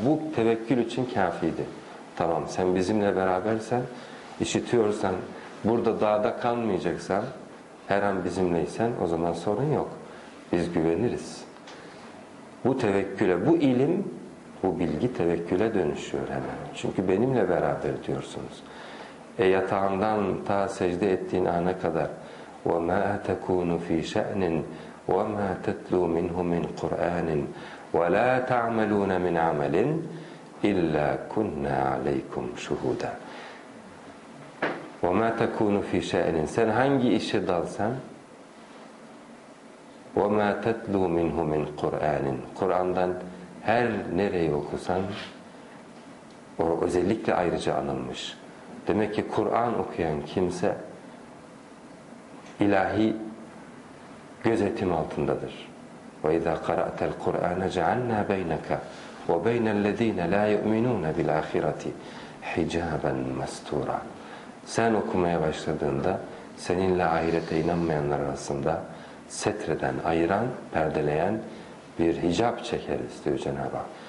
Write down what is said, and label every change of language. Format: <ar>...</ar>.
<tr>Bu tevekkül için kafiydi. Tamam, sen bizimle berabersen, işitiyorsan, burada dağda kalmayacaksan, Her an bizimleysen o zaman sorun yok. Biz güveniriz. Bu tevekküle, bu ilim, bu bilgi tevekküle dönüşüyor hemen. Çünkü benimle beraber diyorsunuz. Yatağından ta secde ettiğin ana kadar</tr> <ar>وَمَا تَكُونُ ف۪ي شَأْنٍ وَمَا تَتْلُوا مِنْهُ مِنْ قُرْآنٍ وَلَا تَعْمَلُونَ مِنْ عَمَلٍ اِلَّا كُنَّا عَلَيْكُمْ شُهُودًا وَمَا تَكُونُ ف۪ي شَأْنٍ</ar> <tr>Sen hangi işe dalsan</tr> <ar>وَمَا تَتْلُوا مِنْهُ مِنْ قُرْآنٍ</ar> <tr>Kur'an'dan her nereyi okusan o özellikle ayrıca anılmış. Demek ki Kur'an okuyan kimse ilahi gözetim altındadır.</tr> <ar>وَاِذَا قَرَأْتَ الْقُرْآنَ جَعَلْنَا بَيْنَكَ وَبَيْنَ الَّذ۪ينَ لَا يُؤْمِنُونَ بِالْآخِرَةِ حِجَابًا مَسْتُورًا</ar> <tr>Sen okumaya başladığında seninle ahirete inanmayanlar arasında setreden, ayıran, perdeleyen bir hicap çeker istiyor Cenab-ı Hak.</tr>